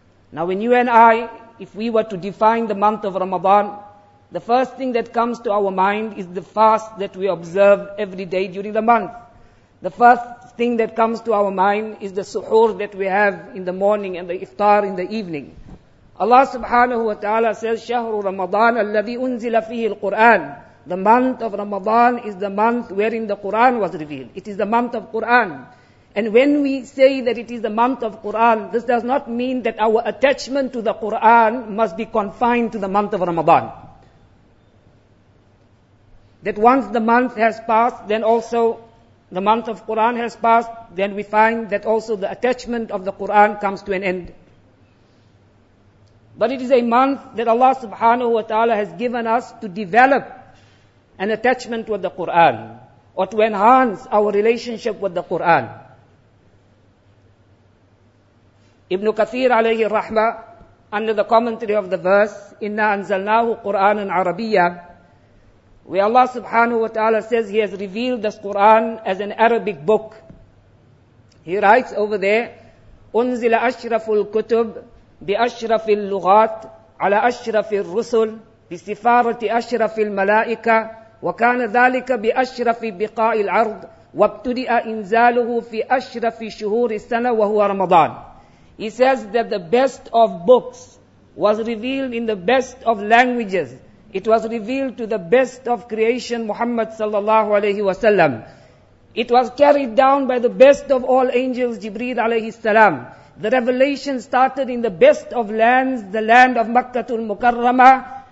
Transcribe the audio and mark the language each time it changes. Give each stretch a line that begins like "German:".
English: Now when you and I, if we were to define the month of Ramadan, the first thing that comes to our mind is the fast that we observe every day during the month. The first thing that comes to our mind is the suhoor that we have in the morning and the iftar in the evening. Allah subhanahu wa ta'ala says,
Arabic: شَهْرُ رَمَضَانَ الَّذِي أُنزِلَ فِيهِ الْقُرْآنِ.
English: The month of Ramadan is the month wherein the Qur'an was revealed. It is the month of Qur'an. And when we say that it is the month of Qur'an, this does not mean that our attachment to the Qur'an must be confined to the month of Ramadan. That once the month has passed, then also the month of Qur'an has passed, then we find that also the attachment of the Qur'an comes to an end. But it is a month that Allah subhanahu wa ta'ala has given us to develop an attachment with the Qur'an, or to enhance our relationship with the Qur'an. Ibn Kathir alayhi rahma, under the commentary of the verse,
Arabic: إِنَّا أَنزَلْنَاهُ قُرْآنًا عَرَبِيًّا,
English: where Allah subhanahu wa ta'ala says He has revealed this Qur'an as an Arabic book. He writes over there,
Arabic: أُنزِلَ أَشْرَفُ الْكُتُبِ بِأَشْرَفِ اللُّغَاتِ عَلَى أَشْرَفِ الرُّسُلِ بِسِفَارَةِ أَشْرَفِ الْمَلَائِكَةِ وَكَانَ ذَلِكَ بِأَشْرَفِ بِقَاءِ الْعَرْضِ وَابْتُدِئَ إِنْزَالُهُ فِي أَشْرَفِ شُهُورِ السَّنَةِ وَهُوَ رَمَضَانِ.
English: He says that the best of books was revealed in the best of languages. It was revealed to the best of creation, Muhammad sallallahu alayhi wa sallam. It was carried down by the best of all angels, Jibreel alayhi salam. The revelation started in the best of lands, the land of Makkatul Mukarramah.